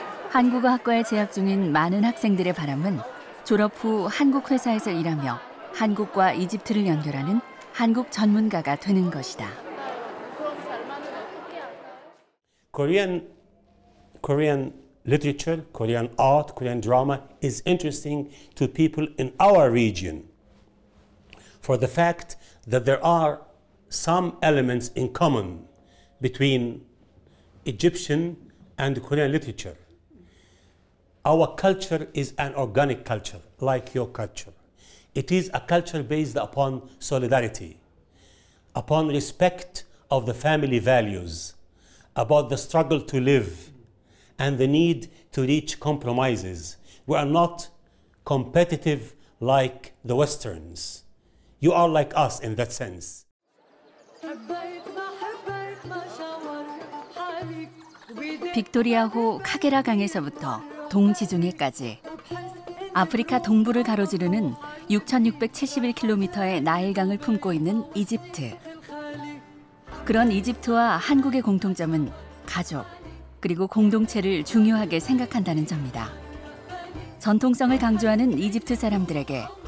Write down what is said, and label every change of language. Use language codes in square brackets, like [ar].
[ko] 한국어학과에 재학 중인 많은 학생들의 바람은 졸업 후 한국 회사에서 일하며 한국과 이집트를 연결하는 한국 전문가가 되는 것이다. [en] Korean literature, Korean art, Korean drama is interesting to people in our region for the fact that there are some elements in common between Egyptian and Korean literature. Our culture is an organic culture, like your culture. It is a culture based upon solidarity, upon respect of the family values, about the struggle to live and the need to reach compromises. We are not competitive like the Westerns. You are like us in that sense. [ko] 빅토리아 호 카게라 강에서부터 동지중해까지 아프리카 동부를 가로지르는 6,671km의 나일강을 품고 있는 이집트. 그런 이집트와 한국의 공통점은 가족, 그리고 공동체를 중요하게 생각한다는 점이다. 전통성을 강조하는 이집트 사람들에게